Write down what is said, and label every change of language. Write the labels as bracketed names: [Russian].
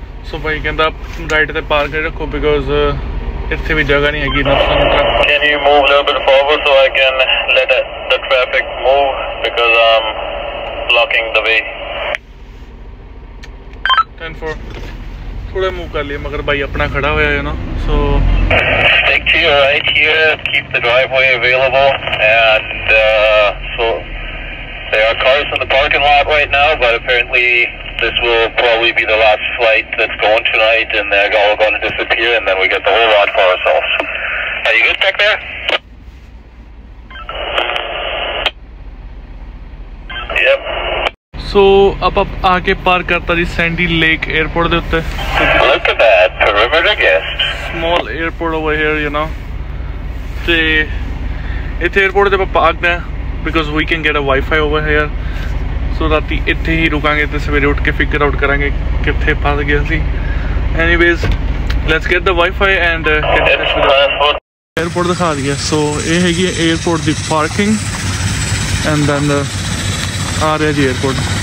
[Punjabi] ਸੋ ਬਾਈ ਕਹਿੰਦਾ ਰਾਈਟ ਤੇ ਪਾਰਕ ਰੱਖੋ ਬਿਕੋਜ਼ ਇੱਥੇ ਵੀ ਜਗ੍ਹਾ ਨਹੀਂ ਹੈਗੀ। [English] Can you move a little bit forward so I can let the traffic move because I'm blocking the way 10-4। [Punjabi] ਥੋੜਾ ਮੂਵ ਕਰ ਲਿਆ ਮਗਰ ਬਾਈ ਆਪਣਾ ਖੜਾ ਹੋਇਆ ਹੈ ਨਾ। [English] So stick to your right here, keep the driveway available and so there are cars in the parking lot right now but apparently this will probably be the last flight that's going tonight and they're all going to disappear and then we get the whole lot for ourselves. Are you good back there? Yep. [Punjabi] So up up aake park karta ji Sandy Lake airport de utte. [English] Look at that perimeter guest. Small airport over here, you know. [Punjabi] Te ithe airport te parkna [English] because we can get a wifi over here. [Punjabi] ਸੋ ਰਾਤੀ ਇੱਥੇ ਹੀ ਰੁਕਾਂਗੇ ਅਤੇ ਸਵੇਰੇ ਉੱਠ ਕੇ figure out ਕਰਾਂਗੇ ਕਿੱਥੇ ਫਸ ਗਿਆ ਸੀ। [English] anyways let's get the wifi and airport [Punjabi] ਦਿਖਾ ਦਈਏ। ਸੋ ਇਹ ਹੈਗੀ ਹੈ airport ਦੀ parking and then ਆ ਰਿਹਾ ਜੀ ਏਅਰਪੋਰਟ।